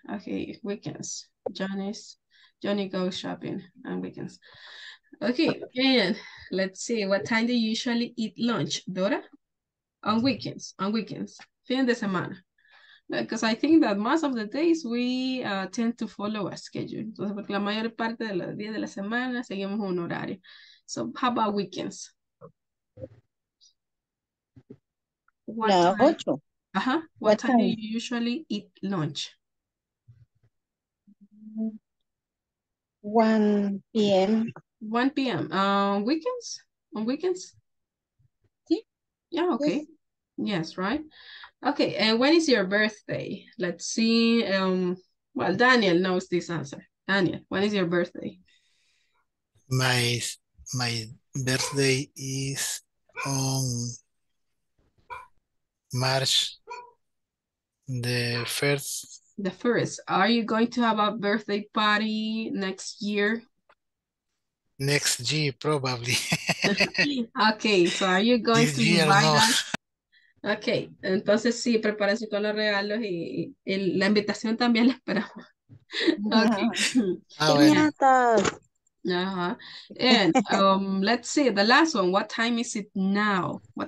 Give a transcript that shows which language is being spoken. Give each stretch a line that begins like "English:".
English: Okay, weekends. Johnny goes shopping on weekends. Okay, and let's see. What time do you usually eat lunch, Dora? On weekends.
Spanish: Fin de semana.
English: Because I think that most of the days we tend to follow a schedule.
Spanish: Entonces, porque la mayor parte de los días de la semana seguimos un horario.
English: So, how about weekends?
Spanish: La 8. Ajá.
English: What time do you usually eat lunch? 1 p.m. 1 p.m. Weekends? On weekends?
Spanish: Sí.
English: Yeah, okay. Yes, right? Okay, and when is your birthday? Let's see. Well, Daniel knows this answer. Daniel, when is your birthday? My birthday is on March the 1st. The 1st. Are you going to have a birthday party next year? Next year, probably. Okay, so are you going this to year, invite no. us?
Spanish: Okay, entonces sí, prepárense con los regalos y la invitación también la esperamos.
English: Okay.
Spanish: Ah, bueno.
English: And let's see, the last one, what time is it now?